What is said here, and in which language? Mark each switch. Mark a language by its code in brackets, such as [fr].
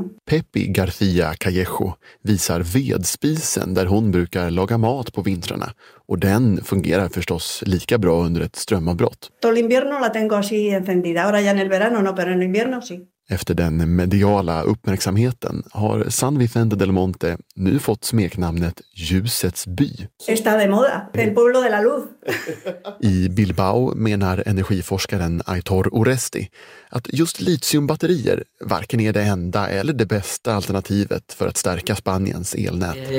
[sv] Pepi García Callejo visar vedspisen där hon brukar laga mat på vintrarna. Och den fungerar förstås lika bra under ett strömavbrott. Efter den mediala uppmärksamheten har San Vicente del Monte nu fått smeknamnet Ljusets by. [es] Está de moda, el pueblo de la luz. [sv] I Bilbao menar energiforskaren Aitor Oresti att just litiumbatterier varken är det enda eller det bästa alternativet för att stärka Spaniens elnät.